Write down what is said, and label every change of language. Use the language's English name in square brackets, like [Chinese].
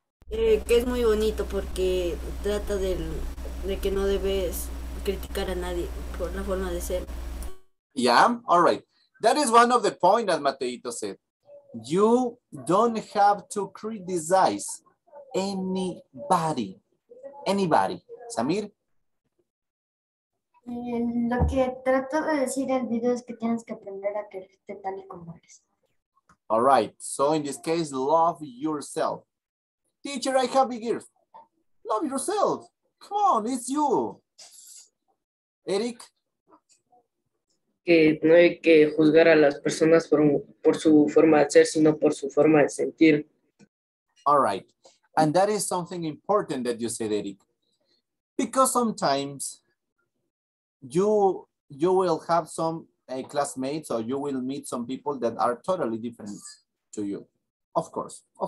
[Spanish] Que es muy bonito porque trata de que no debes criticar a nadie por la forma de ser. [English] Yeah, all right. That is one of the points that Mateito said. You don't have to criticize anybody. Anybody. Samir? [Spanish] Lo que trato de decir en el video es que tienes que aprender a quererte tal y como eres. [English] All right. So in this case, love yourself. Teacher, I have a gift. Love yourself. Come on, it's you. Eric? [Spanish] Que no hay que juzgar a las personas por su forma de ser, sino por su forma de sentir. [English] All right. And that is something important that you said, Eric. Because sometimes you will have some classmates or you will meet some people that are totally different to you. Of course.